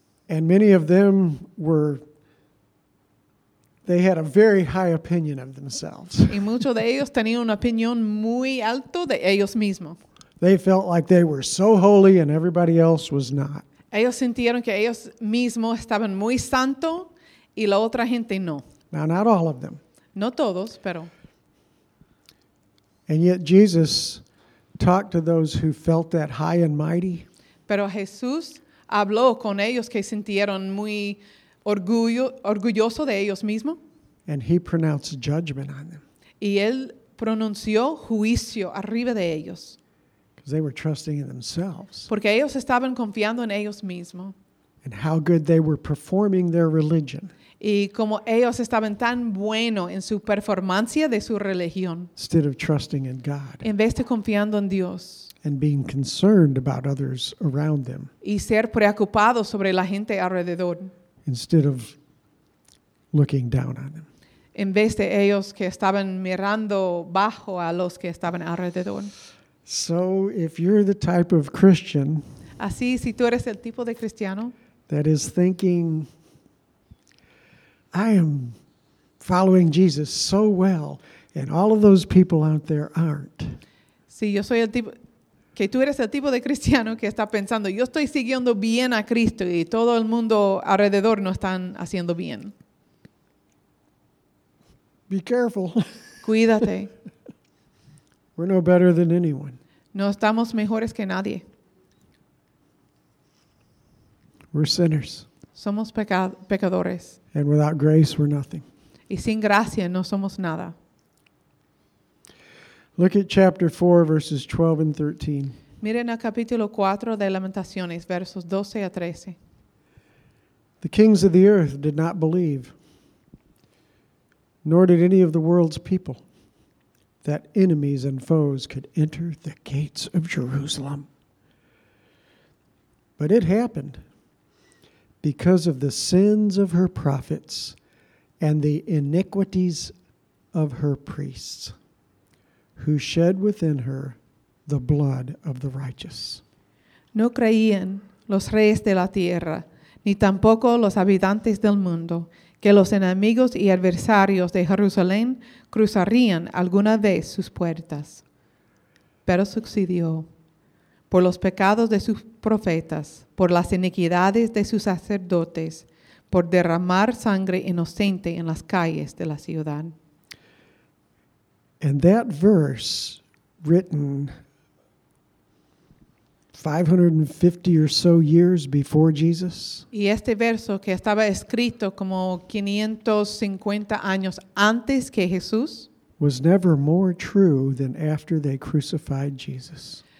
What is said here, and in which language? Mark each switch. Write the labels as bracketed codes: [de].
[en] And many of them they had a very high opinion of themselves. [es] Y muchos de ellos tenían una opinión muy alto de ellos mismos. [en] They felt like they were so holy and everybody else was not. [es] Ellos sintieron que ellos mismos estaban muy santo y la otra gente no. [en] Now, not all of them. [es] No todos, pero. [en] And yet Jesus talked to those who felt that high and mighty. [es] Pero Jesús habló con ellos que sintieron muy orgulloso de ellos mismos. [en] And he pronounced judgment on them. [es] Y él pronunció juicio arriba de ellos. [en] Because they were trusting in themselves. [es] Porque ellos estaban confiando en ellos mismos. [en] And how good they were performing their religion. [es] Y como ellos estaban tan bueno en su performancia de su religión. [en] Instead of trusting in God. [es] En vez de confiando en Dios. [en] And being concerned about others around them. [es] Y ser preocupado sobre la gente alrededor. [en] Instead of looking down on them. [es] En vez de ellos que estaban mirando bajo a los que estaban alrededor. [en] So if you're the type of Christian. [es] Así, si tú eres el tipo de cristiano. [en] That is thinking, I am following Jesus so well, and all of those people out there aren't. [es] Si yo soy el tipo. Que tú eres el tipo de cristiano que está pensando, yo estoy siguiendo bien a Cristo y todo el mundo alrededor no están haciendo bien. [en] Be careful. [es] Cuídate. [en] We're no better than anyone. [es] No estamos mejores que nadie. [en] We're sinners. [es] Somos pecadores. [en] And without grace, we're nothing. [es] Y sin gracia no somos nada. [en] Look at chapter 4, verses 12 and 13. [es] Miren el capítulo 4 de Lamentaciones, versos 12 a 13. [en] The kings of the earth did not believe, nor did any of the world's people, that enemies and foes could enter the gates of Jerusalem. But it happened because of the sins of her prophets and the iniquities of her priests. Who shed within her the blood of the righteous. [es] No creían los reyes de la tierra, ni tampoco los habitantes del mundo, que los enemigos y adversarios de Jerusalén cruzarían alguna vez sus puertas. Pero sucedió, por los pecados de sus profetas, por las iniquidades de sus sacerdotes, por derramar sangre inocente en las calles de la ciudad. [en] And that verse, written 550 or so years before Jesus. [es] Y este verso que estaba escrito como 550 años antes que Jesús. [en] Was never more true than after they crucified Jesus.